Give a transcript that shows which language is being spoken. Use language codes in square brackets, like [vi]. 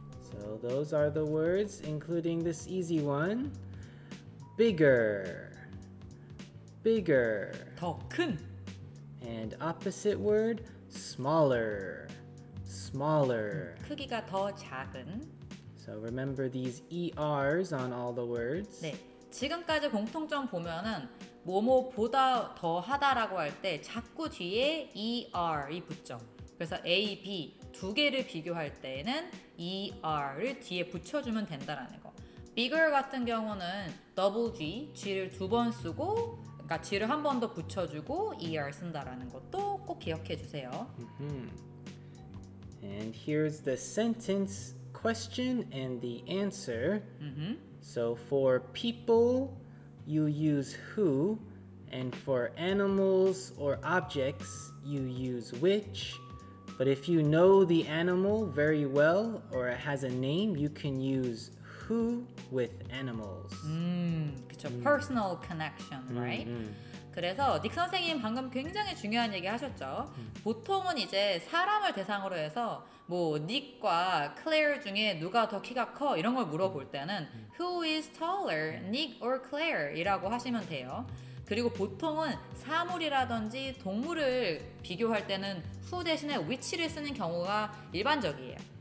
[en] So those are the words, including this easy one, bigger, bigger, [ko] 더 큰, [en] and opposite word, smaller, smaller, [ko] 크기가 더 작은. [en] So remember these ERs on all the words. [ko] 네, 지금까지 공통점 보면은 뭐뭐보다 더하다라고 할 때 자꾸 뒤에 ER이 붙죠. 그래서 A, B 두 개를 비교할 때에는 ER을 뒤에 붙여주면 된다라는 거. Bigger 같은 경우는 double G, G를 두 번 쓰고 그러니까 G를 한 번 더 붙여주고 ER 쓴다라는 것도 꼭 기억해 주세요. [en] And here's the sentence question and the answer. So for people, you use who, and for animals or objects, you use which. But if you know the animal very well or it has a name, you can use who with animals. Personal connection, right? [ko] 그래서 닉 선생님 방금 굉장히 중요한 얘기 하셨죠. 보통은 이제 사람을 대상으로 해서 뭐 닉과 Claire 중에 누가 더 키가 커 이런 걸 물어볼 때는 [en] Who is taller, Nick or Claire? [ko] 이라고 하시면 돼요. 그리고 보통은 사물이라든지 동물을 비교할 때는 who 대신에 which를 쓰는 경우가 일반적이에요.